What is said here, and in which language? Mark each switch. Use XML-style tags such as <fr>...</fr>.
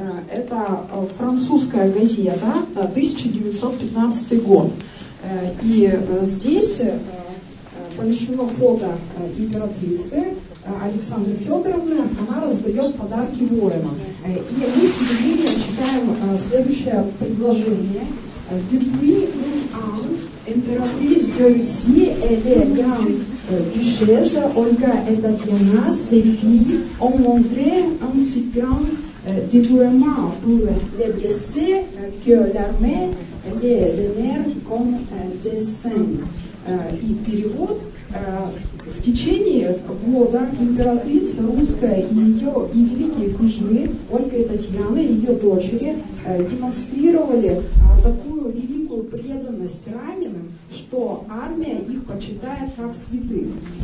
<ru>Это французская газета, 1915 год. И здесь помещено фото императрицы Александры Федоровны. Она раздает подарки воинам. И мы с удивлением читаем следующее предложение.</ru> <fr>Depuis un an,</fr> <ru>императрица</ru> <fr>de Russie et les grandes duchesses Olga et Tatiana, ses filles, ont montré un si grand dévouement pour les blessés que l'armée les vénère comme des saints.</fr> <ru>И перевод. В течение года императрица русская и ее и великие княжны Ольга и Татьяна, ее дочери, демонстрировали такую великую чувствовал преданность раненым, что армия их почитает как святых.</ru>